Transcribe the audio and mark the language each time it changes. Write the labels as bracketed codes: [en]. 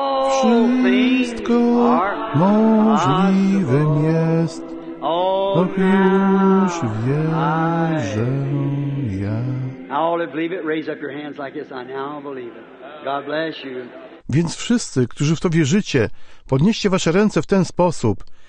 [pl] Wszystko możliwym jest. Och, już wierzę ja. [en] All that believe it, raise up your hands like this. I now believe it. God bless you. [pl] Więc wszyscy, którzy w to wierzycie, podnieście wasze ręce w ten sposób.